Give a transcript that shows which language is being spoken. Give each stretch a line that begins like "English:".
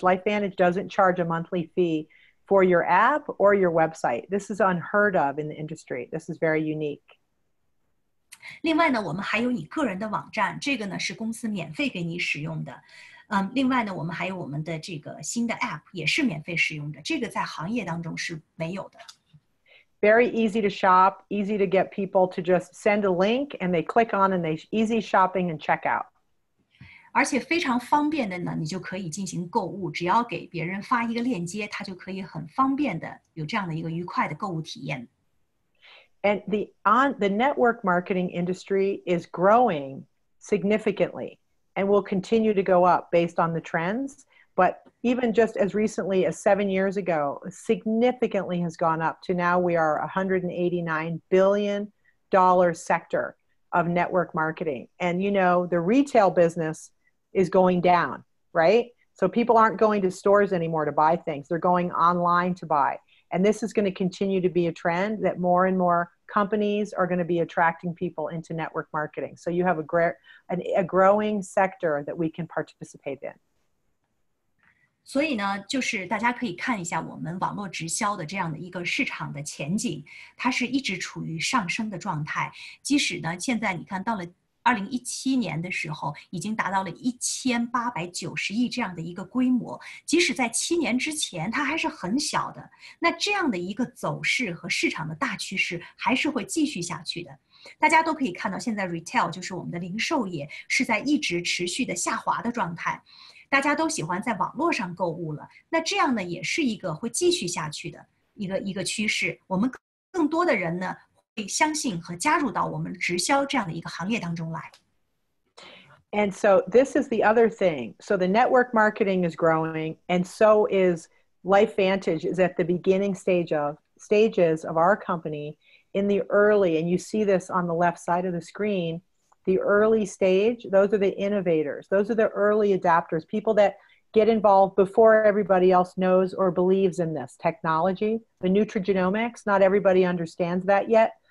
English: LifeVantage doesn't charge a monthly fee for your app or your website. This is unheard of in the industry. This is very unique.
Chinese: 另外呢，我们还有你个人的网站，这个呢是公司免费给你使用的。另外呢，我们还有我们的这个新的 app 也是免费使用的，这个在行业当中是没有的。
English: Very easy to shop, easy to get people to just send a link and they click on and they easy shopping and check out.
Chinese: 而且非常方便的呢，你就可以进行购物，只要给别人发一个链接，他就可以很方便的有这样的一个愉快的购物体验。
English: And the network marketing industry is growing significantly and will continue to go up based on the trends. But even just as recently as 7 years ago, significantly has gone up to now we are $189 billion sector of network marketing. And you know, the retail business is going down, right? So people aren't going to stores anymore to buy things. They're going online to buy. And this is going to continue to be a trend that more and more companies are going to be attracting people into network marketing. So you have a growing sector that we can participate in.
Chinese: 所以呢，就是大家可以看一下我们网络直销的这样的一个市场的前景，它是一直处于上升的状态。即使呢，现在你看到了2017年的时候，已经达到了1890亿这样的一个规模。即使在7年之前，它还是很小的。那这样的一个走势和市场的大趋势还是会继续下去的。大家都可以看到，现在 retail 就是我们的零售业是在一直持续的下滑的状态。大家都喜欢在网络上购物了，那这样呢也是一个会继续下去的一个趋势。我们更多的人呢会相信和加入到我们直销这样的一个行业当中来。
English: And so this is the other thing. So the network marketing is growing, and so is LifeVantage is at the beginning stages of our company in the early, and you see this on the left side of the screen, the early stage, those are the innovators, those are the early adapters, people that get involved before everybody else knows or believes in this technology, the nutrigenomics, not everybody understands that yet.